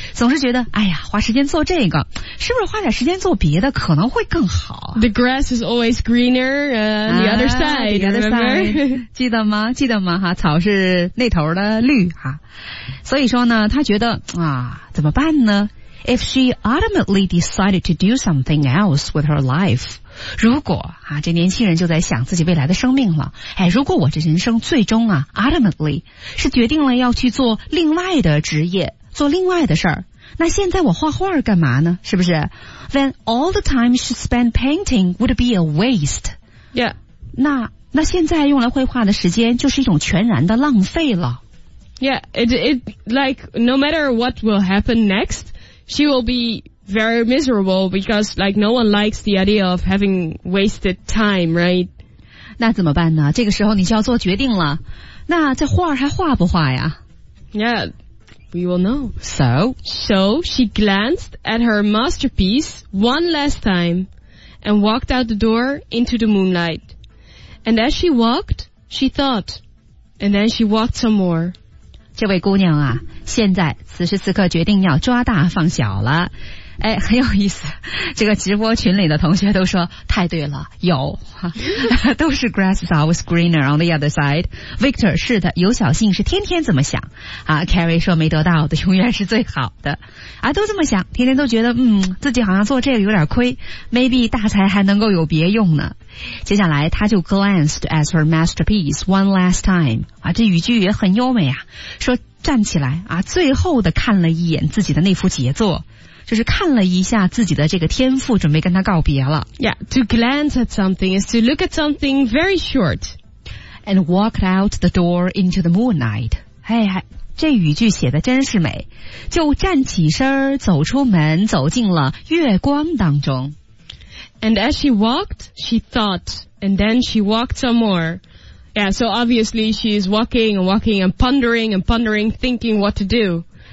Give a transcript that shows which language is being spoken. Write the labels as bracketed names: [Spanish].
[Chinese] 总是觉得，哎呀，花时间做这个，是不是花点时间做别的可能会更好、 [English] 啊、？The grass is always greener the other side. The other side， 记得吗？ [Chinese] 记得吗？哈，草是那头的绿哈。所以说呢，他觉得啊，怎么办呢 [English] ？If she ultimately decided to do something else with her life. [Chinese] 如果啊，这年轻人就在想自己未来的生命了。哎，如果我这人生最终啊 ， [English] ultimately [Chinese] 是决定了要去做另外的职业，做另外的事儿，那现在我画画干嘛呢？是不是 [English] ？Then all the time she spent painting would be a waste. Yeah. [Chinese] 那现在用来绘画的时间就是一种全然的浪费了。 [English] Yeah. It like no matter what will happen next, she will be. Very miserable because like no one likes the idea of having wasted time, right? [Chinese] 那怎么办呢？这个时候你就要做决定了。那这画还画不画呀？ [English] Yeah, we will know. So she glanced at her masterpiece one last time and walked out the door into the moonlight. And as she walked, she thought, And then she walked some more. [Chinese] 这位姑娘啊，现在此时此刻决定要抓大放小了。哎，很有意思，这个直播群里的同学都说太对了，有都是 [English] grass is always greener on the other side. [Chinese] Victor 是的，有小幸是天天这么想啊。Carrie 说没得到的永远是最好的啊，都这么想，天天都觉得自己好像做这个有点亏， [English] maybe [Chinese] 大财还能够有别用呢。接下来他就 [English] glanced at her masterpiece one last time [Chinese] 啊，这语句也很优美啊，说站起来啊，最后的看了一眼自己的那幅杰作，就是看了一下自己的这个天赋，准备跟他告别了。 [English] Yeah, to glance at something is to look at something very short. And walked out the door into the moonlight. [Chinese] 哎，这语句写的真是美，就站起身走出门，走进了月光当中。 [English] And as she walked, she thought, and then she walked some more. Yeah, so obviously she's walking and walking and pondering, thinking what to do.